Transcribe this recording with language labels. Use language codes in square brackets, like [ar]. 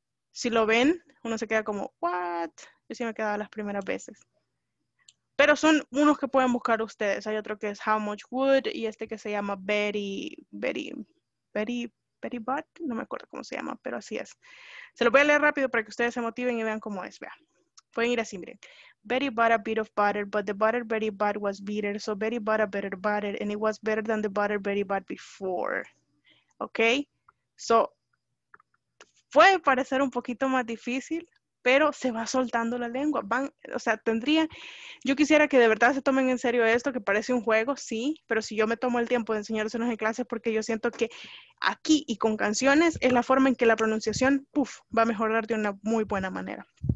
[es] Si lo ven, uno se queda como, ¿what? Yo sí me quedaba las primeras veces. Pero son unos que pueden buscar ustedes. Hay otro que es How Much Wood y este que se llama Betty, Betty, Betty, Betty Butt. No me acuerdo cómo se llama, pero así es. Se lo voy a leer rápido para que ustedes se motiven y vean cómo es. Vean. Pueden ir así, miren. [en] Betty bought a bit of butter, but the butter Betty bought was bitter. So Betty bought a better butter and it was better than the butter Betty bought before. [es] Ok, so, puede parecer un poquito más difícil, pero se va soltando la lengua. Van, o sea, yo quisiera que de verdad se tomen en serio esto, que parece un juego, sí, pero si yo me tomo el tiempo de enseñárselos en clases, porque yo siento que aquí y con canciones es la forma en que la pronunciación, puff, va a mejorar de una muy buena manera.